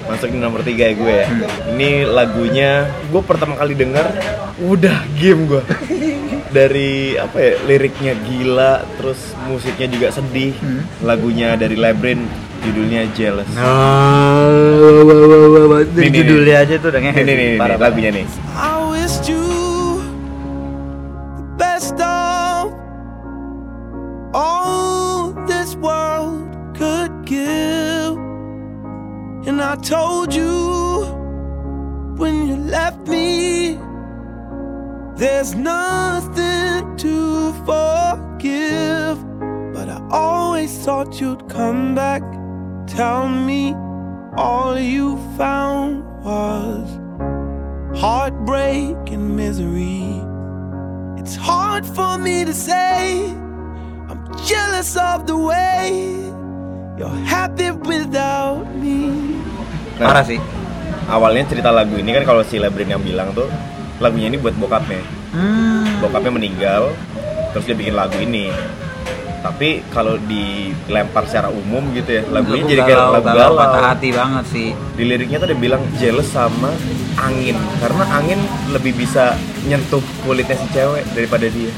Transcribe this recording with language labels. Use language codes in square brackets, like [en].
[id] Masuk di nomor 3 ya gue ya. Ini lagunya gue pertama kali denger udah game gue. Dari apa ya, liriknya gila, terus musiknya juga sedih. Lagunya dari Labyrinth, judulnya Jealous. Dari judulnya aja tuh udah ngehe. Nih, lagunya nih. [en] I wish you the best of all this world could give. And I told you when you left me there's nothing to forgive, but I always thought you'd come back. Tell me all you found was heartbreak and misery. It's hard for me to say I'm jealous of the way you're happy without me. [id] Parah sih. Awalnya cerita lagu ini kan kalau si Labrin yang bilang tuh lagunya ini buat bokapnya. Bokapnya meninggal, terus dia bikin lagu ini. Tapi kalau dilempar secara umum gitu ya, lagunya jadi kayak lagu galau. Patah hati banget sih. Di liriknya tuh dia bilang jealous sama angin, karena angin lebih bisa nyentuh kulitnya si cewek daripada dia.